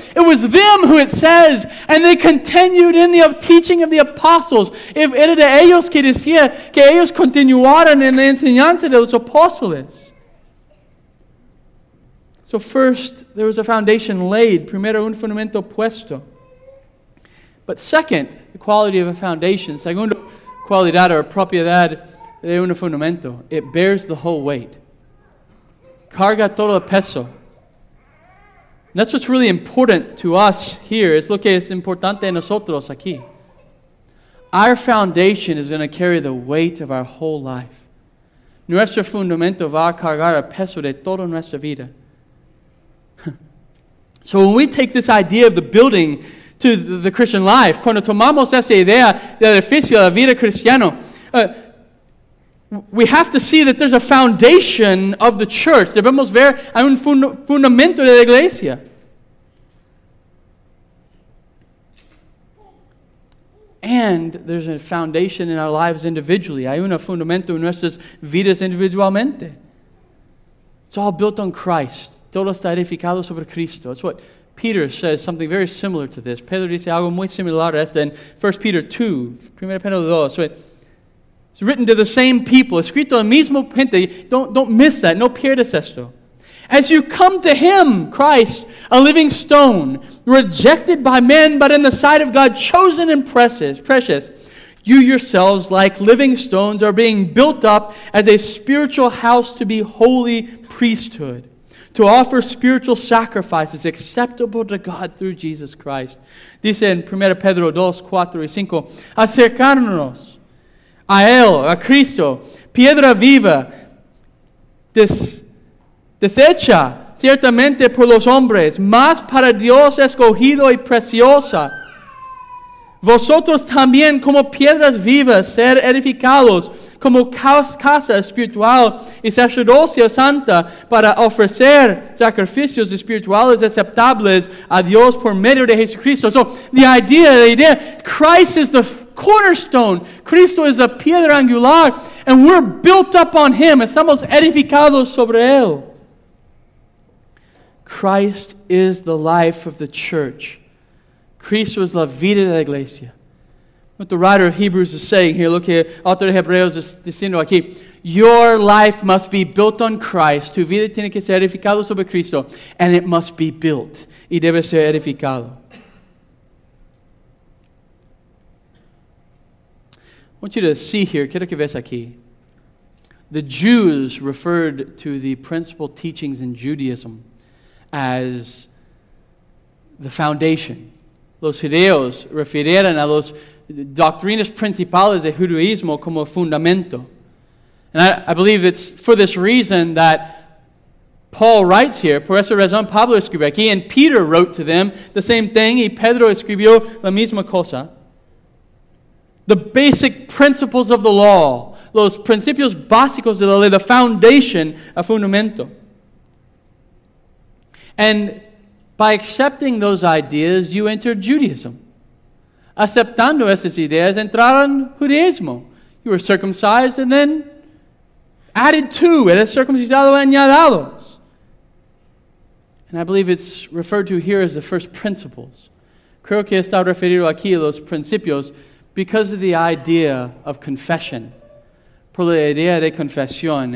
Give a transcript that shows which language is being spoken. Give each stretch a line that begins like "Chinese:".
English: It was them who it says, and they continued in the teaching of the apostles.
Spanish: If era de ellos que decía que ellos continuaron en la enseñanza de los apóstoles.
English: So first, there was a foundation laid.
Spanish: Primero, un fundamento puesto.
English: But second, the quality of a foundation.
Spanish: Segundo, cualidad or propiedad de un fundamento.
English: It bears the whole weight.
Spanish: Carga todo el peso.
English: That's what's really important to us here.
Spanish: Es lo que es importante a nosotros aquí.
English: Our foundation is going to carry the weight of our whole life.
Spanish: Nuestro fundamento va a cargar el peso de toda nuestra vida.
English: So when we take this idea of the building to the Christian life,
Spanish: cuando tomamos esa idea del edificio de la vida cristiana,
English: we have to see that there's a foundation of the church.
Spanish: Debemos ver hay un fundamento de la iglesia.
English: And there's a foundation in our lives individually.
Spanish: Hay un fundamento en nuestras vidas individualmente.
English: It's all built on Christ.
Spanish: Todo está edificado sobre Cristo.
English: That's what Peter says, something very similar to this.
Spanish: Pedro dice algo muy similar a esto
English: in 1 Peter 2,
Spanish: 1 Pedro 2.
English: So it's written to the same people.
Spanish: Escrito al mismo gente.
English: Don't miss that.
Spanish: No pierdas esto.
English: As you come to Him, Christ, a living stone, rejected by men, but in the sight of God, chosen and precious, you yourselves, like living stones, are being built up as a spiritual house to be holy priesthood, to offer spiritual sacrifices acceptable to God through Jesus Christ.
Spanish: Dice en 1 Pedro 2, 4 y 5, acercarnos a Él, a Cristo, piedra viva, deshecha ciertamente por los hombres, mas para Dios escogido y preciosa. Vosotros también como piedras vivas ser edificados como casa espiritual y sacerdocio santa para ofrecer sacrificios espirituales aceptables a Dios por medio de Jesucristo.
English: So the idea, Christ is the cornerstone. Cristo is the piedra angular and we're built up on Him.
Spanish: Estamos edificados sobre Él.
English: Christ is the life of the church.
Spanish: Cristo es la vida de la iglesia.
English: What the writer of Hebrews is saying here, look here,
Spanish: autor de Hebreos is diciendo aquí,
English: your life must be built on Christ.
Spanish: Tu vida tiene que ser edificado sobre Cristo,
English: and it must be built.
Spanish: Y debe ser edificado.
English: I want you to see here,
Spanish: quiero que ves aquí,
English: the Jews referred to the principal teachings in Judaism as the foundation.
Spanish: Los judeos refirieron a los doctrinas principales de judaísmo como fundamento.
English: And I believe it's for this reason that Paul writes here,
Spanish: por esa razón Pablo escribió aquí,
English: and Peter wrote to them the same thing,
Spanish: y Pedro escribió la misma cosa.
English: The basic principles of the law,
Spanish: los principios básicos de la ley,
English: the foundation, a fundamento. And by accepting those ideas, you enter Judaism.
Spanish: Aceptando esas ideas, entraron judaísmo.
English: You were circumcised and then added to,
Spanish: eres circuncisado y añadados.
English: And I believe it's referred to here as the first principles.
Spanish: Creo que está referido aquí a los principios
English: because of the idea of confession.
Spanish: Por la idea de confesión.